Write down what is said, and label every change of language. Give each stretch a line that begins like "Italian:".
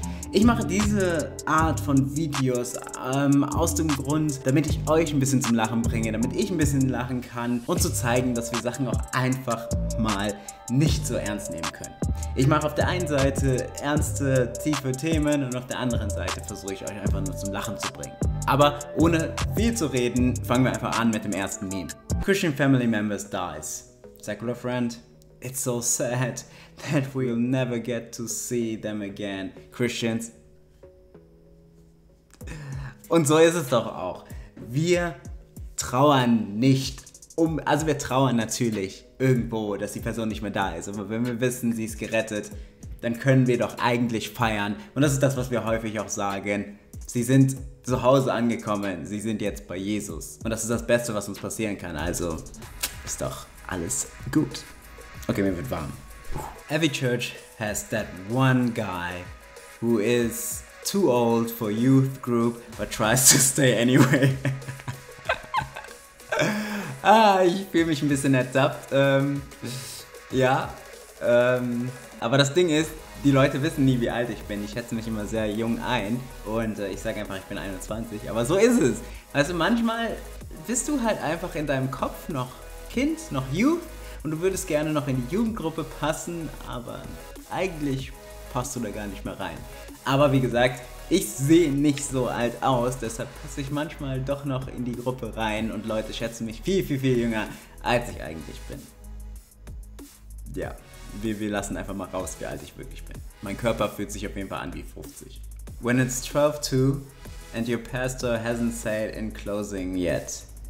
German: Ich mache diese Art von Videos aus dem Grund, damit ich euch ein bisschen zum Lachen bringe, damit ich ein bisschen lachen kann und zu zeigen, dass wir Sachen auch einfach mal nicht so ernst nehmen können. Ich mache auf der einen Seite ernste, tiefe Themen und auf der anderen Seite versuche ich euch einfach nur zum Lachen zu bringen. Aber ohne viel zu reden, fangen wir einfach an mit dem ersten Meme.
English: Christian Family Members dies. Secular friend. It's so sad that we'll never get to see them again, Christians.
German: Und so ist es doch auch. Wir trauern nicht um, also wir trauern natürlich irgendwo, dass die Person nicht mehr da ist. Aber wenn wir wissen, sie ist gerettet, dann können wir doch eigentlich feiern. Und das ist das, was wir häufig auch sagen. Sie sind zu Hause angekommen. Sie sind jetzt bei Jesus. Und das ist das Beste, was uns passieren kann. Also ist doch alles gut. Okay, mir wird warm.
English: Every church has that one guy who is too old for youth group but tries to stay anyway.
German: ich fühle mich ein bisschen ertappt. Aber das Ding ist, die Leute wissen nie, wie alt ich bin. Ich schätze mich immer sehr jung ein und ich sage einfach, ich bin 21. Aber so ist es. Also manchmal bist du halt einfach in deinem Kopf noch Kind, noch Youth. Und du würdest gerne noch in die Jugendgruppe passen, aber eigentlich passt du da gar nicht mehr rein. Aber wie gesagt, ich sehe nicht so alt aus, deshalb passe ich manchmal doch noch in die Gruppe rein und Leute schätzen mich viel, viel, viel jünger, als ich eigentlich bin. Ja, wir lassen einfach mal raus, wie alt ich wirklich bin. Mein Körper fühlt sich auf jeden Fall an wie 50.
English: When it's 12:02 and your pastor hasn't said in closing yet.